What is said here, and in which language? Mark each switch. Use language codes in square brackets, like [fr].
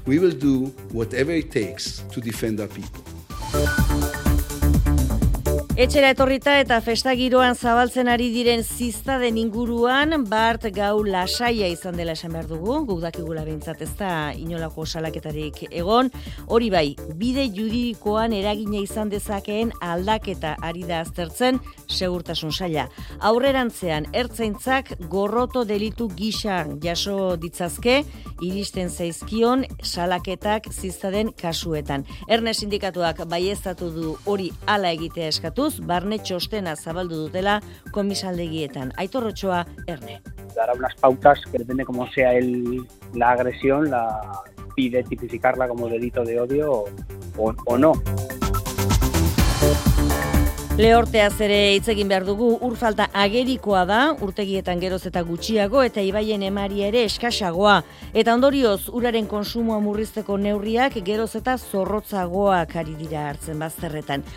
[en] We will do whatever it takes to defend our people. [eu] Etxera etorrita eta festa giroan zabaltzen ari diren ziztaden inguruan, bart gau lasaia izan dela esan behar dugu, guk dakigula behintzat ez da inolako salaketarik egon. Hori bai, bide juridikoan eragina izan dezakeen aldaketa ari da aztertzen segurtasun saila. Aurrerantzean, ertzaintzak gorroto delitu gisa jaso ditzazke, iristen zaizkion salaketak ziztaden kasuetan. Erne sindikatuak baieztatu du hori hala egitea eskatu, barne txostena zabaldu dutela komisaldegietan. Aitor Otxoa, Erne. [es] Dará unas pautas que depende como sea el la agresión, la pide tipificarla como delito de odio o no. [eu] Lehorteaz ere hitz egin behar dugu, ur falta agerikoa da, urtegietan geroz eta gutxiago eta ibaien emari ere eskasagoa. Eta ondorioz, uraren konsumoa murrizteko neurriak geroz eta zorrotzagoak ari dira hartzen bazterretan.